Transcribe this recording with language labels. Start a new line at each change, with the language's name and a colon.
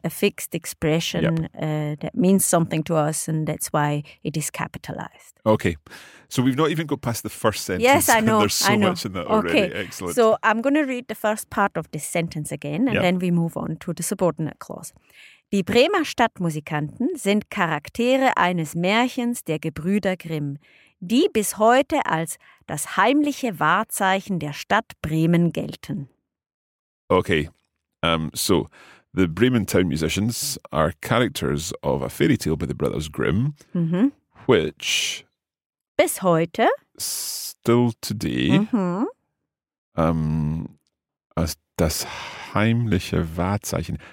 English: A fixed expression that means something to us, and that's why it is capitalized. Okay, so we've not even got past the first sentence. Yes, I know. There's so I know. Much in that already. Okay. Excellent. So I'm going to read the first part of this sentence again, and then we move on to the subordinate clause.
German: Die Bremer Stadtmusikanten sind Charaktere eines Märchens der Gebrüder Grimm, die bis heute als das heimliche Wahrzeichen der Stadt Bremen gelten.
English: Okay, so the Bremen town musicians are characters of a fairy tale by the Brothers Grimm, which
German: bis heute,
English: still today, as
German: das heimliche Wahrzeichen.